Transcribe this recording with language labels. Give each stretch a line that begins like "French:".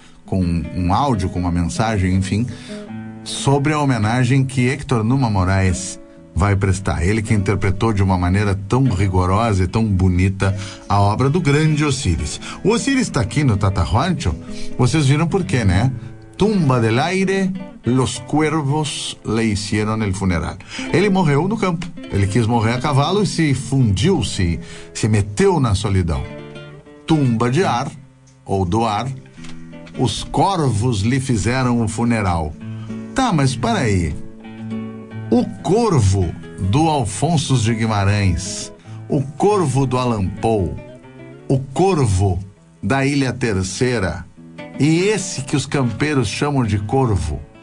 Portuguese: Com um áudio, com uma mensagem, enfim, sobre a homenagem que Héctor Numa Moraes vai prestar. Ele que interpretou de uma maneira tão rigorosa e tão bonita a obra do grande Osiris. O Osiris está aqui no Tata Juancho, vocês viram por quê, né?
Spanish: Tumba del aire, los cuervos le hicieron el funeral.
Portuguese: Ele morreu no campo, ele quis morrer a cavalo e se fundiu, se meteu na solidão. Tumba de ar, ou do ar, os corvos lhe fizeram o funeral. Tá, mas para aí. O corvo do Alfonso de Guimarães, o corvo do Allan Poe, o corvo da Ilha Terceira, e esse que os campeiros chamam de corvo.